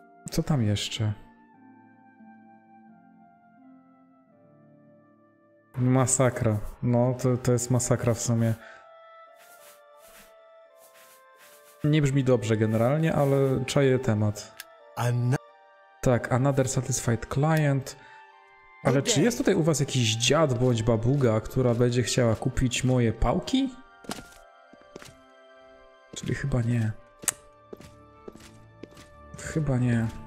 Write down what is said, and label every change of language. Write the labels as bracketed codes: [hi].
[pl] Co tam jeszcze? Masakra. No, to jest masakra w sumie. Nie brzmi dobrze generalnie, ale czaję temat. [en] Tak, another satisfied client. [pl] Ale czy jest tutaj u was jakiś dziad bądź babuga, która będzie chciała kupić moje pałki? Czyli chyba nie. Chyba nie.